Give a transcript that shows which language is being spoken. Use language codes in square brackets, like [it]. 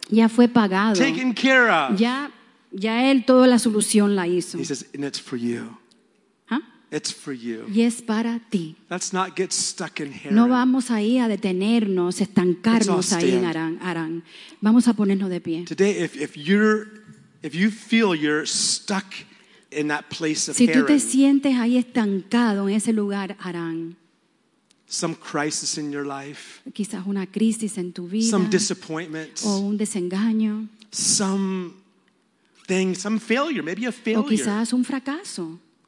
[es] Ya fue pagado. [en] Taken care of. [es] Ya él toda la solución la hizo. [en] He says, and it's for you. It's for you. [es] Y es para ti. [en] Let's not get stuck in Haran. [es] No vamos ahí a detenernos, estancarnos ahí en Harán. Vamos a ponernos de pie. [en] Today, if you feel you're stuck in that place of [es] Haran. Si tú te sientes ahí estancado en ese lugar, Harán. [en] Some crisis in your life. [es] Quizás una crisis en tu vida. [en] Some disappointment. [es] O un desengaño. [en] Some thing, some failure, maybe a failure. [es] O quizás un fracaso.